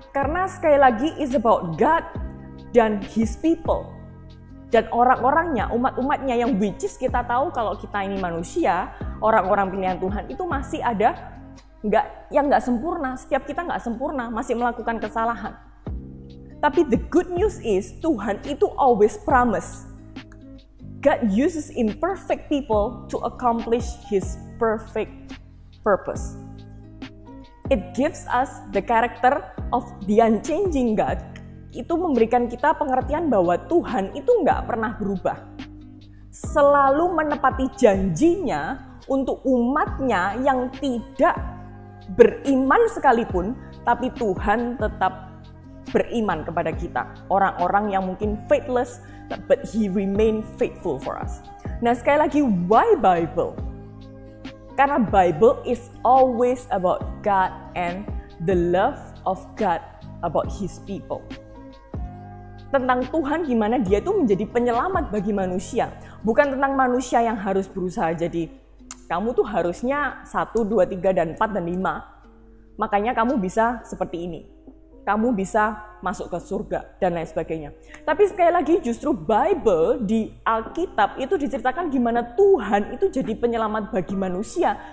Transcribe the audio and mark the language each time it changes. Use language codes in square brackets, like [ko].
[id] Karena sekali lagi [en] it's about God [id] dan [en] His people. [id] Dan orang-orangnya, umat-umatnya yang [en] which is [id] kita tahu kalau kita ini manusia, orang-orang pilihan Tuhan itu masih ada yang gak sempurna. Setiap kita gak sempurna, masih melakukan kesalahan. Tapi [en] the good news is [id] Tuhan itu [en] always promise. God uses imperfect people to accomplish His perfect purpose. It gives us the character of the unchanging God. [id] Itu memberikan kita pengertian bahwa Tuhan itu nggak pernah berubah. Selalu menepati janjinya untuk umatnya yang tidak beriman sekalipun, tapi Tuhan tetap beriman kepada kita. Orang-orang yang mungkin [en] faithless, but He remain faithful for us. [id] Nah, sekali lagi, [en] why Bible? [id] Karena [en] Bible is always about God and the love of God about His people. [id] Tentang Tuhan gimana dia itu menjadi penyelamat bagi manusia. Bukan tentang manusia yang harus berusaha jadi kamu tuh harusnya 1, 2, 3, dan 4, dan 5. Makanya kamu bisa seperti ini. Kamu bisa masuk ke surga dan lain sebagainya. Tapi sekali lagi justru Bible di Alkitab itu diceritakan gimana Tuhan itu jadi penyelamat bagi manusia.